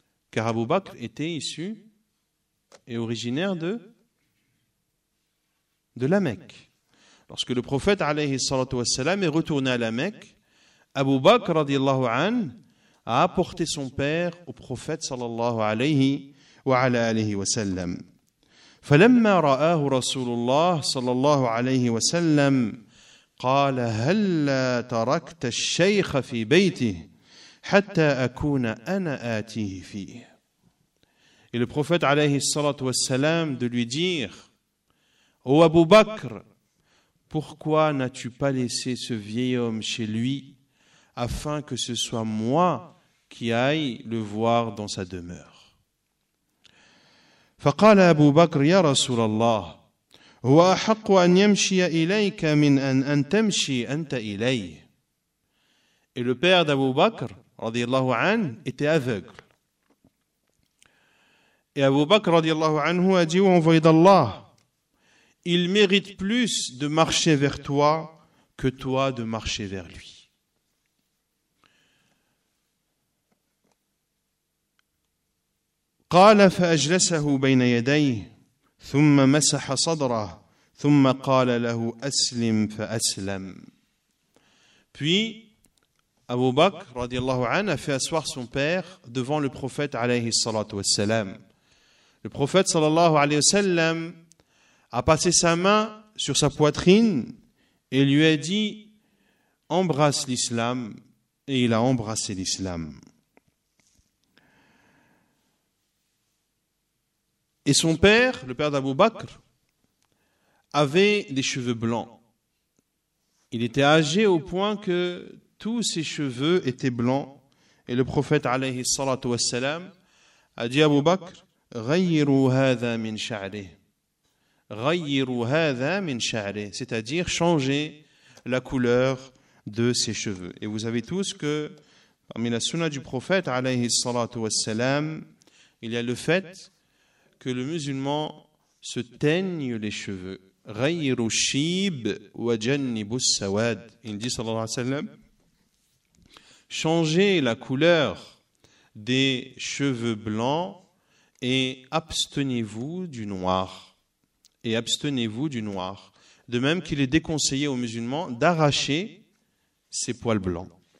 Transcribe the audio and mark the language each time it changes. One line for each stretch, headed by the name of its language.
French: Car Abu Bakr était issu et originaire de la Mecque. Lorsque le prophète alayhi salatu wassalam est retourné à la Mecque, Abu Bakr radiyallahu an a apporté son père au prophète sallallahu alayhi wa ala alayhi wa sallam.
Arabic: فلما رآه رسول الله صلى الله عليه وسلم قال هل تركت الشيخ في بيته حتى أكون أنا آتيه فيه.
French: Et le prophète عليه الصلاة والسلام de lui dire: Ô Abu Bakr, pourquoi n'as-tu pas laissé ce vieil homme chez lui afin que ce soit moi qui aille le voir dans sa demeure?
Arabic: فقال أبو بكر يا رسول الله هو أحق أن يمشي إليك من أن تمشي أنت إليه.
French: Et le père d'Abu Bakr رضي الله عنه était aveugle. Et Abu Bakr رضي الله عنه a dit: Ô envoyé d'Allah, il mérite plus de marcher vers toi que toi de marcher vers lui.
Arabic: قال فأجلسه بين يديه ثم مسح صدره ثم قال له أسلم فأسلم.
French: Puis Abu Bakr رضي الله عنه a fait asseoir son père devant le prophète عليه الصلاة والسلام. Le prophète صلى الله عليه وسلم a passé sa main sur sa poitrine et lui a dit: embrasse l'islam. Et il a embrassé l'islam. Et son père, le père d'Abu Bakr, avait des cheveux blancs. Il était âgé au point que tous ses cheveux étaient blancs. Et le prophète, alayhi salatu wassalam, a dit à Abu Bakr:
Arabic: غيروا هذا من شعره. غيروا هذا من شعره,
French: c'est-à-dire changer la couleur de ses cheveux. Et vous savez tous que parmi la sunna du prophète alayhi salatu wassalam, il y a le fait que le musulman se teigne les cheveux.
Arabic: غيروا الشيب وجنبوا السواد.
French: Il dit sallallahu alayhi wa sallam, changez la couleur des cheveux blancs et abstenez-vous du noir. Et abstenez-vous du noir. De même qu'il est déconseillé aux musulmans d'arracher ses poils blancs.